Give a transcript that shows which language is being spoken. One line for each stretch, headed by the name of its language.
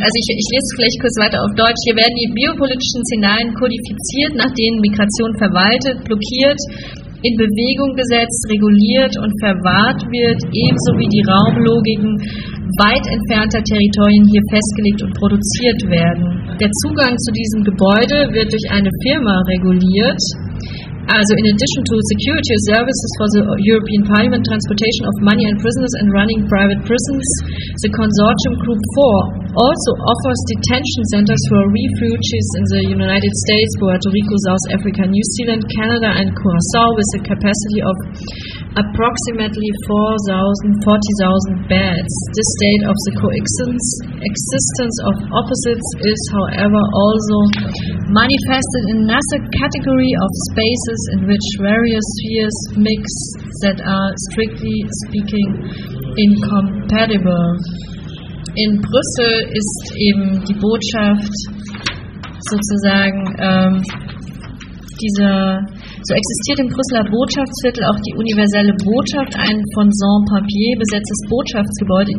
German: Also ich lese vielleicht kurz weiter auf Deutsch. Hier werden die biopolitischen Szenarien kodifiziert, nach denen Migration verwaltet, blockiert, in Bewegung gesetzt, reguliert und verwahrt wird, ebenso wie die Raumlogiken weit entfernter Territorien hier festgelegt und produziert werden. Der Zugang zu diesem Gebäude wird durch eine Firma reguliert.
English: Also in addition to security services for the European Parliament, transportation of money and prisoners and running private prisons, the consortium Group 4 also offers detention centers for refugees in the United States, Puerto Rico, South Africa, New Zealand, Canada and Curaçao, with a capacity of approximately 40,000 beds. This state of the coexistence of opposites is, however, also manifested in another category of spaces in which various spheres mix that are, strictly speaking, incompatible.
German: In Brüssel ist eben die Botschaft sozusagen dieser. So existiert im Brüsseler Botschaftsviertel auch die universelle Botschaft, ein von Saint-Papier besetztes Botschaftsgebäude.